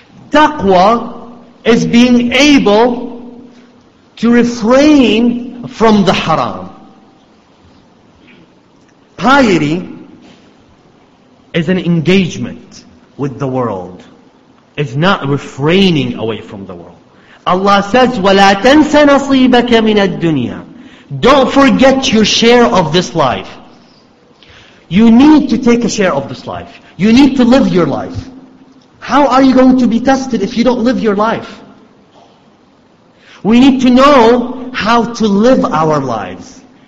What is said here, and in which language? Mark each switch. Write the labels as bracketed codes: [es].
[en] Taqwa is being able to refrain from the haram. Piety is an engagement with the world. It's not refraining away from the world. Allah says, [ar] وَلَا تَنْسَ نَصِيبَكَ مِنَ الدُّنْيَا. [en] Don't forget your share of this life. You need to take a share of this life. You need to live your life. How are you going to be tested if you don't live your life? We need to know how to live our lives.